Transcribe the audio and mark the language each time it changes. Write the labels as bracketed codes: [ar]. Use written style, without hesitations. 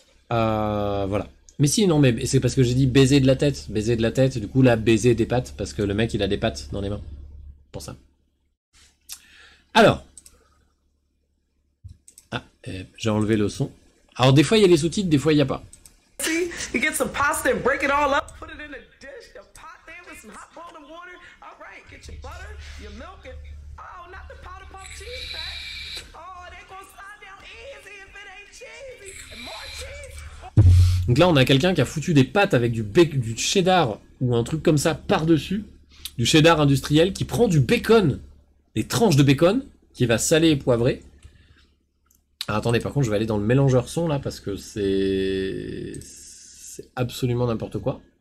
[fr] voilà. Mais si, non, mais c'est parce que j'ai dit baiser de la tête. Baiser de la tête, du coup, là, baiser des pattes, parce que le mec, il a des pattes dans les mains. Pour ça. Alors. J'ai enlevé le son. Alors, des fois, il y a les sous-titres, des fois, il n'y a pas. [en] You get some pasta and break it all up, put it in a dish, a pot there with some hot boiling water. All right, get your butter, your milk, and oh, not the powder puff cheese pack. Oh, they gonna slide down easy if it ain't cheesy. And more cheese. [fr] Donc là, on a quelqu'un qui a foutu des pâtes avec du cheddar ou un truc comme ça par-dessus, du cheddar industriel, qui prend du bacon, des tranches de bacon, qui va saler et poivrer. Ah, attendez, par contre, je vais aller dans le mélangeur son, là, parce que c'est absolument n'importe quoi.